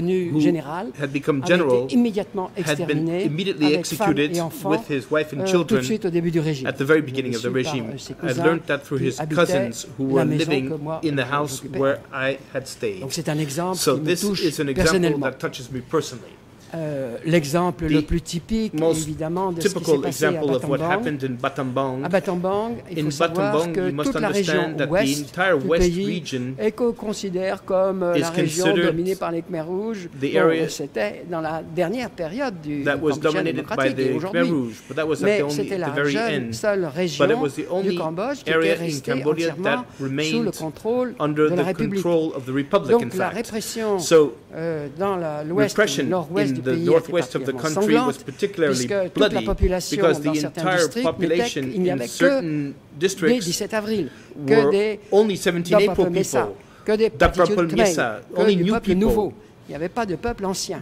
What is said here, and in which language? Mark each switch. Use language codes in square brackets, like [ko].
[en] who had become general, had been immediately executed with his wife and children at the very beginning of the regime. I learned that through his cousins who were living in the house where I had stayed. So this is an example that touches me personally. [fr] L'exemple le plus typique, évidemment, de ce qui s'est passé à Battambang. Battambang. À Battambang, il faut savoir que toute la région ouest du pays est considérée comme la région dominée par les Khmer Rouges. C'était dans la dernière période du Cambodge démocratique aujourd'hui. Mais c'était la jeune, seule région du Cambodge qui était restée entièrement sous le contrôle de la République. Donc la répression dans l'ouest, nord-ouest, [en] the northwest of the country was particularly bloody because the entire population in certain districts were only 17 April people, [fr] Daprapol Misa, [en] only new people. [fr] Il n'y avait pas de peuple ancien.